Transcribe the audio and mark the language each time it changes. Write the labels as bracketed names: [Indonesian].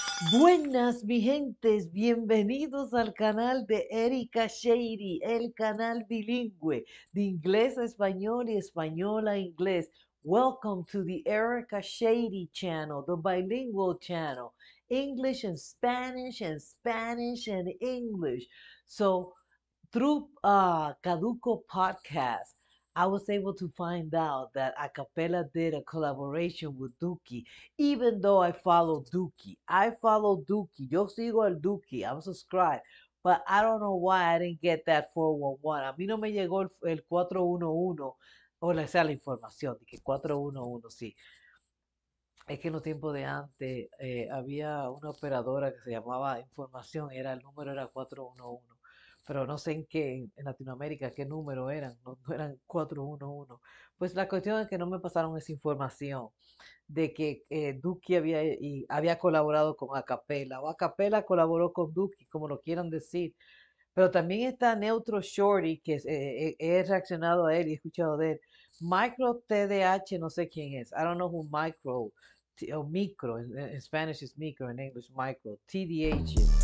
[Spanish] Buenas, mi gentes, bienvenidos al canal de Erika Sheiri, el canal bilingüe de inglés a español y español a inglés. [English] Welcome to the Erika Sheiri channel, the bilingual channel, English and Spanish and English. So, through Caduco Podcast, I was able to find out that Acapella did a collaboration with Duki, even though I follow Duki. I follow Duki. [Spanish] Yo sigo al Duki. [English] I'm subscribed. But I don't know why I didn't get that 411. [Spanish] A mí no me llegó el 411. Hola, sea la información. Que 411, sí. Es que en los tiempos de antes había una operadora que se llamaba Información. Era, el número era 411. Pero no sé en qué, en Latinoamérica, qué número eran, no eran 411. Pues la cuestión es que no me pasaron esa información de que Duki había colaborado con Acapella, o Acapella colaboró con Duki, como lo quieran decir. Pero también está Neutro Shorty, que he reaccionado a él y he escuchado de él. Micro TDH, no sé quién es. [English] I don't know who Micro, o Micro, en Spanish is Micro, en English Micro, TDH.